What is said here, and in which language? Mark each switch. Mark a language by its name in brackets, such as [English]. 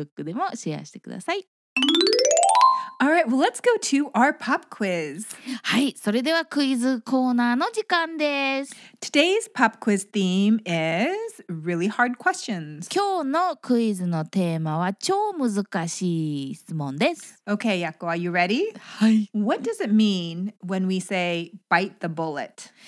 [Japanese] はい、今日は悪い癖ということでいっぱい出ましたけれども、もし皆さん自分の悪い癖があってシェアしていただけそうであれば、ぜひインスタやFacebookでもシェアしてください。 [English] All right, well, let's go to our pop quiz. [Japanese] はい、それではクイズコーナーの時間です。 [English] Today's pop quiz theme is really hard questions. [Japanese] 今日のクイズのテーマは超難しい質問です。 [English] Okay, Yakko, are you ready? [Japanese] はい。 [English] What does it mean when we say bite the bullet?